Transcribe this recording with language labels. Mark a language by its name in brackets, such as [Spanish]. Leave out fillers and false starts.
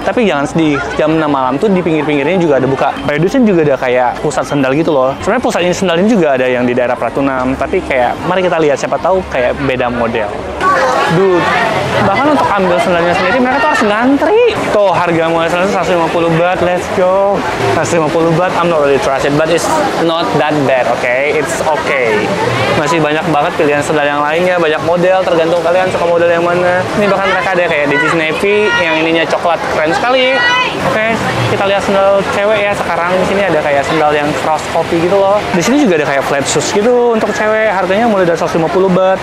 [Indonesian] Tapi jangan sedih, jam 6 malam tuh di pinggir-pinggirnya juga ada buka. [English] By the way, [Indonesian] juga ada kayak pusat sendal gitu loh. Sebenarnya pusat ini sendal ini juga ada yang di daerah Pratunam, tapi kayak mari kita lihat siapa tahu kayak beda model. Dude, bahkan untuk ambil sendalnya sendiri mereka tuh harus ngantri. Tuh, harga mulai sendalnya 150 baht. [English] Let's go. 150 baht, I'm not really trusted, but it's not that bad, okay? It's okay. [Indonesian] Masih banyak banget pilihan sendal yang lainnya, banyak model, tergantung kalian suka model yang mana. Ini bahkan mereka ada kayak DC Navy, yang ininya coklat, keren sekali. Okay, kita lihat sendal cewek ya. Sekarang di sini ada kayak sendal yang cross copy gitu loh. Di sini juga ada kayak flat shoes gitu untuk cewek. Harganya mulai dari 150 baht.